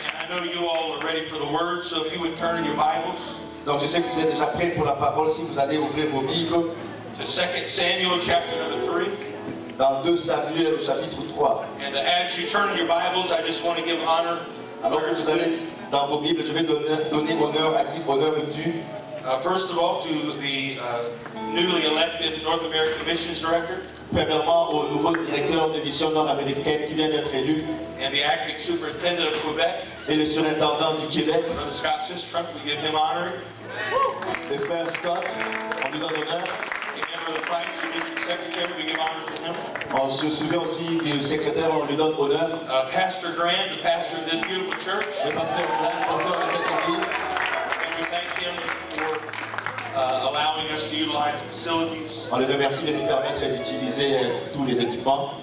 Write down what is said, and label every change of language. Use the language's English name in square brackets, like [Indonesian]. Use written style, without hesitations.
[English] Know you all are ready for the word, so if you would turn in your Bibles. [French] Donc je sais que vous êtes déjà prêts pour la parole si vous allez ouvrir vos Bibles. [English] To 2 Samuel chapter number 3. [French] Dans 2 Samuel chapitre 3. [English] And as you turn in your Bibles, I just want to give honor. [French] Alors que vous allez dans vos Bibles, je vais donner honneur à qui honneur est dû. [English] First of all, to the newly elected North American Missions Director. [French] Premièrement, au nouveau directeur de mission nord-américaine qui vient d'être élu. [English] And the acting superintendent of Quebec. [French] Et le surintendant du Québec. [English] Brother Scott Sistrunk, we give him honor. [French] Le frère Scott, on lui donne honneur. [English] And Member of the Price, the district secretary, we give honor to him. [French] On se souvient aussi du secrétaire, on lui donne honneur. [English] Pastor Grant, the pastor of this beautiful church. [French] Le pasteur Grant, pasteur de cette église. [English] And we thank him for allowing us to utilize the facilities. [French] On le remercie de nous permettre d'utiliser tous les équipements.